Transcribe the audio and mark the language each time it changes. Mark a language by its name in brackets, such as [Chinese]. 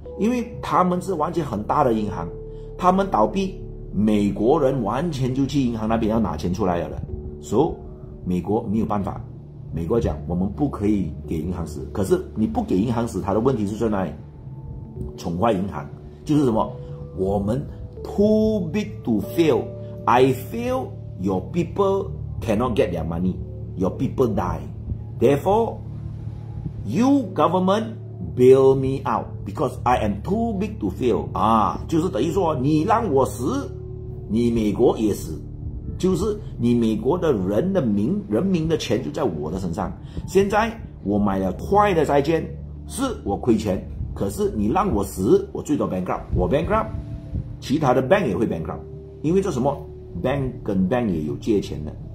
[Chinese] 因为他们是完全很大的银行，他们倒闭，美国人完全就去银行那边要拿钱出来了，所以美国没有办法，美国讲我们不可以给银行死，可是你不给银行死，它的问题是在哪里？宠坏银行，就是什么？我们 [English] too big to fail， I feel your people cannot get their money， your people die， therefore you government bail me out because I am too big to fail [Chinese] 啊，就是等于说你让我死，你美国也死。就是你美国的人的名，人民的钱就在我的身上，现在我买了坏的债券，是我亏钱，可是你让我死，我最多 bankrupt， 我 bankrupt， 其他的 bank 也会 bankrupt， 因为这什么 bank 跟 bank 也有借钱的。